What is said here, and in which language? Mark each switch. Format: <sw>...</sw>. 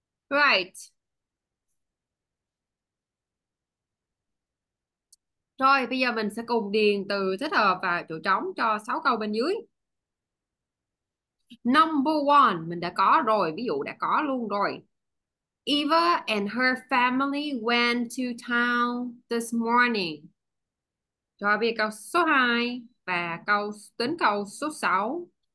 <en>Right.</en> <vi>Rồi, bây giờ mình sẽ cùng điền từ thích hợp và chỗ trống cho 6 câu bên dưới.</vi> <en>Number one,</en> <vi>mình đã có rồi, ví dụ đã có luôn rồi.</vi> <en>Eva and her family went to town this morning.</en> <vi>Rồi, bây giờ câu số 2 và câu tính câu số 6.</vi>